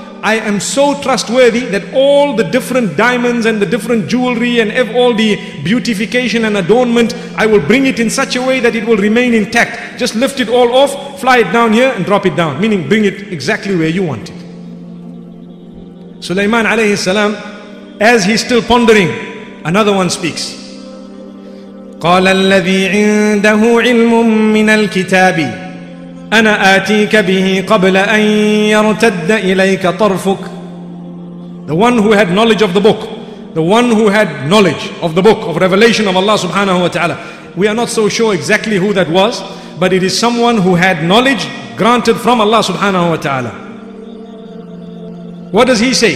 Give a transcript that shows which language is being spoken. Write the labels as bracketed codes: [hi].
[en] I am so trustworthy that all the different diamonds and the different jewelry and all the beautification and adornment, I will bring it in such a way that it will remain intact. Just lift it all off, fly it down here and drop it down. Meaning bring it exactly where you want it. Suleiman alayhi salam, as he's still pondering, another one speaks. [ar] قال الذي عنده علم من الكتاب أنا آتيك به قبل أن يرتد إليك طرفك. [en] The one who had knowledge of the book, the one who had knowledge of the book of revelation of Allah subhanahu wa ta'ala. We are not so sure exactly who that was, but it is someone who had knowledge granted from Allah subhanahu wa ta'ala. What does he say?